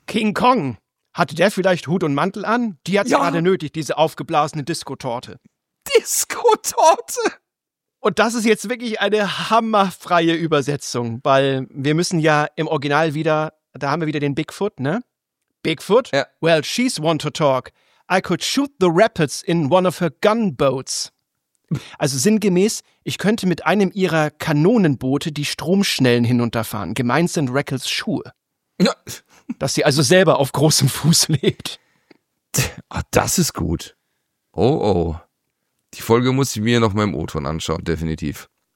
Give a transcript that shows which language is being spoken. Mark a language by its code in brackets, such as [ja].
[de] King Kong. Hatte der vielleicht Hut und Mantel an? Die hat es gerade nötig, diese aufgeblasene Disco-Torte. Disco-Torte? Und das ist jetzt wirklich eine hammerfreie Übersetzung, weil wir müssen ja im Original wieder, da haben wir wieder den Bigfoot, ne? Bigfoot? Ja. [en] Well, she's one to talk. I could shoot the rapids in one of her gunboats. [de] Also sinngemäß, ich könnte mit einem ihrer Kanonenboote die Stromschnellen hinunterfahren. Gemeint sind Rackles Schuhe. Ja. Dass sie also selber auf großem Fuß lebt. Ach, das ist gut. Oh, oh. Die Folge muss ich mir noch mal im O-Ton anschauen, definitiv.